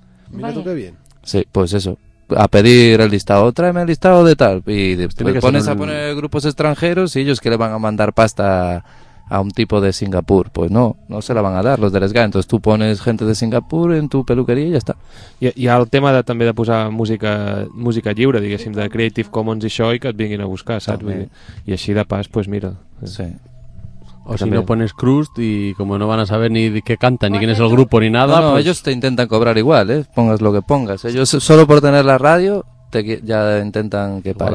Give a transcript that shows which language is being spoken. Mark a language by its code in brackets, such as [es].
[es] Mira tú qué bien. Sí, pues eso. A pedir el listado, tráeme el listado de tal. Y después pones a poner grupos extranjeros y ellos que le van a mandar pasta... a un tipo de Singapur, pues no se la van a dar los de Les GAE, entonces tú pones gente de Singapur en tu peluqueria [ca] i ja està. I el tema de, també de posar música lliure, diguéssim, de Creative Commons i això, i que et vinguin a buscar, saps? Vull dir, i així de pas, pues mira. Sí. [es] O si no pones Crust y como no van a saber ni qué cantan, ni quién es el grupo, ni nada... No, pues... ellos te intentan cobrar igual, pongas lo que pongas. Ellos solo por tener la radio ya intentan que pagues.